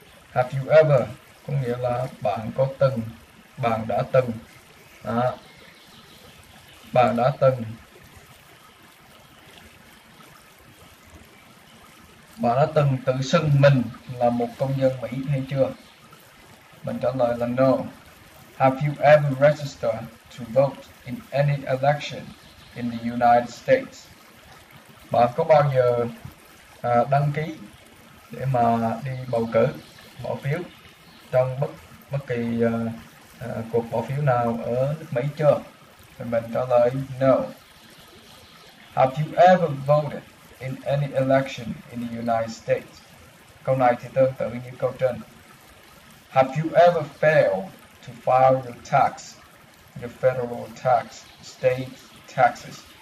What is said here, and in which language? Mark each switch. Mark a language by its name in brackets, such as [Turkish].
[English] Have you ever [Vietnamese] có nghĩa là bạn có từng, bạn đã từng. Đó. Bạn đã từng. Bạn đã từng tự xưng mình là một công dân Mỹ hay chưa? Mình trả lời là no. [English] Have you ever registered to vote in any election in the United States? [Vietnamese] Bạn có bao giờ đăng ký để mà đi bầu cử, bỏ phiếu trong bất kỳ cuộc bỏ phiếu nào ở nước Mỹ chưa? Thì mình trả lời no. [English] Have you ever voted in any election in the United States? [Vietnamese] Câu này thì tương tự như câu trên. [English] Have you ever failed to file your tax, your federal tax, state taxes?